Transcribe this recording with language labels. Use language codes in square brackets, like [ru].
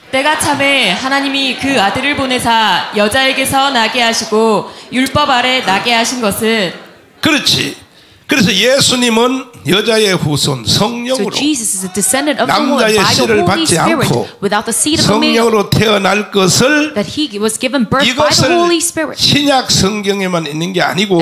[ko] 때가 참에 하나님이 그 아들을 보내사 여자에게서 나게 하시고 율법 아래 나게 하신 것은 그렇지. 그래서 예수님은 여자의 후손 성령으로 [en] so Jesus is a descendant of [ko] 남자의 씨를 받지 않고 성령으로 태어날 것을 [en] that he was given birth by the Holy Spirit. [ko] 신약 성경에만 있는 게 아니고